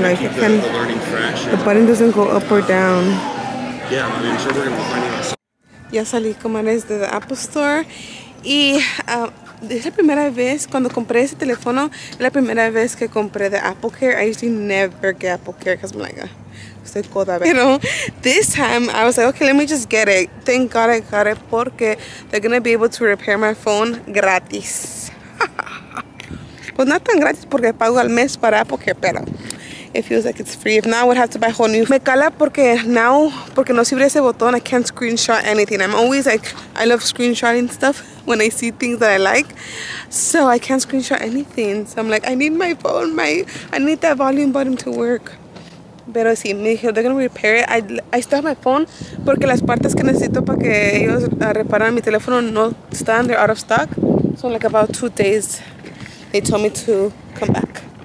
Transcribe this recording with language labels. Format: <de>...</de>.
<en>Like, the button doesn't go up or down. Yeah, I mean, sure we're gonna find it.</en> <es>Ya salí, comadres, de la Apple Store. Y es la primera vez, cuando compré ese teléfono, es la primera vez que compré de Apple Care.</es> <en>I usually never get Apple Care because I'm like,</en> <es>estoy coda.</es> <en>Pero this time, I was like, okay, let me just get it. Thank God I got it, porque they're going to be able to repair my phone gratis.</en> <es>Pues no tan gratis porque pago al mes para Apple Care, pero</es> <en>it feels like it's free. If not, I would have to buy a whole new.</en> <es>Me cala porque now, porque no sirve ese botón,</es> <en>I can't screenshot anything. I'm always like, I love screenshotting stuff when I see things that I like. So I can't screenshot anything. So I'm like, I need my phone, I need that volume button to work.</en> <es>Pero sí, me dijeron,</es> <en>they're going to repair it. I still have my phone</en> <es>porque las partes que necesito para que ellos reparan mi teléfono no están,</es> <en>they're out of stock. So like about 2 days, they told me to come back.</en>